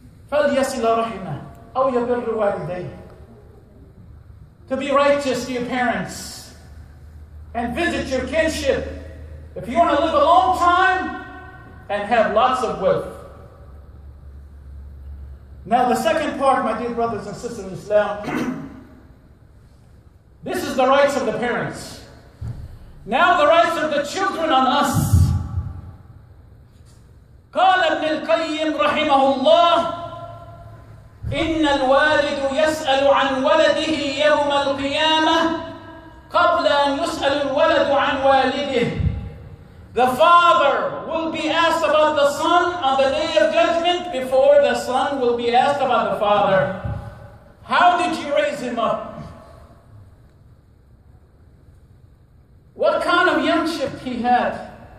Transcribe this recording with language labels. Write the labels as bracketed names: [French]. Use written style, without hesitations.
[Arabic] فَلْيَسِلَ رَحِمَةً أَوْ يَبِرُّ وَالِدَيْهِ. [English] To be righteous to your parents and visit your kinship. If you want to live a long time, and have lots of wealth. Now the second part, my dear brothers and sisters in Islam, this is the rights of the parents. Now the rights of the children on us. [Arabic] قال ابن القيم رحمه الله إن الوالد يسأل عن ولده يوم القيامة قبل أن يسأل الولد عن والده. [English] The father will be asked about the son on the day of judgment before the son will be asked about the father. How did you raise him up? What kind of youngship he had?